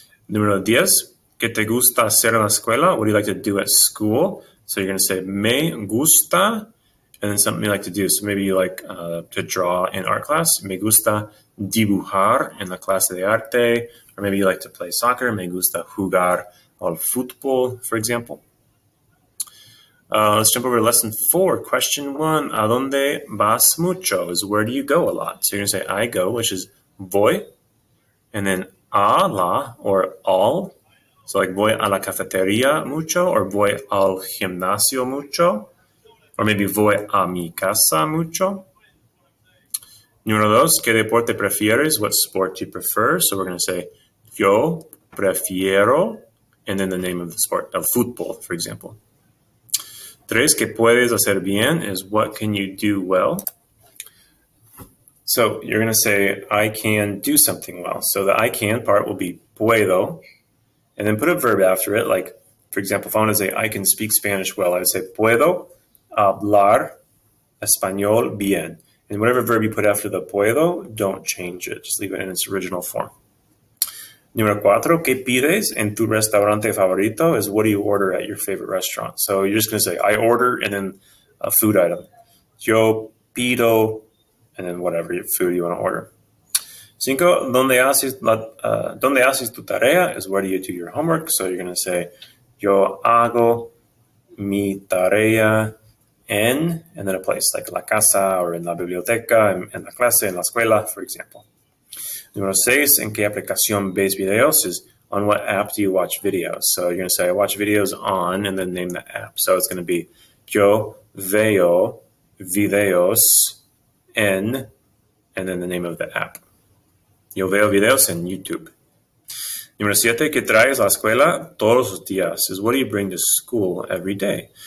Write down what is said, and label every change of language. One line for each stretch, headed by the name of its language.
Spanish: Número 10, ¿qué te gusta hacer en la escuela?
English: What do you like to do at school? So you're going to say
Spanish: me gusta,
English: and then something you like to do. So maybe you like to draw in art class.
Spanish: Me gusta dibujar en la clase de arte.
English: Or maybe you like to play soccer.
Spanish: Me gusta jugar al fútbol,
English: for example. Let's jump over to lesson four. Question one,
Spanish: ¿a dónde vas mucho?
English: Is where do you go a lot? So you're gonna say I go, which is voy, and then
Spanish: a la or al.
English: So like
Spanish: voy a la cafeteria mucho, or voy al gimnasio mucho,
English: or maybe
Spanish: voy a mi casa mucho. Número dos, ¿qué deporte prefieres?
English: What sport do you prefer? So we're gonna say
Spanish: yo prefiero,
English: and then the name of the sport, of football, for example.
Spanish: Tres, ¿qué puedes hacer bien?
English: Is what can you do well? So you're gonna say, I can do something well. So the I can part will be puedo, and then put a verb after it. Like, for example, if I wanna say, I can speak Spanish well, I would say,
Spanish: puedo hablar español bien.
English: And whatever verb you put after the puedo, don't change it. Just leave it in its original form.
Spanish: Número cuatro, ¿qué pides en tu restaurante favorito?
English: Is what do you order at your favorite restaurant? So you're just going to say, I order, and then a food item.
Spanish: Yo pido,
English: and then whatever food you want to order.
Spanish: Cinco, ¿dónde haces tu tarea?
English: Is where do you do your homework? So you're going to say,
Spanish: yo hago mi tarea en, and then a place like la casa or en la biblioteca, en la clase, en la escuela, for example. Número seis, ¿en qué aplicación ves videos?
English: Is on what app do you watch videos? So you're going to say, I watch videos on, and then name the app. So it's going to be,
Spanish: yo veo videos en,
English: and then the name of the app.
Spanish: Yo veo videos en YouTube. Número siete, ¿qué traes a la escuela todos los días?
English: Is what do you bring to school every day?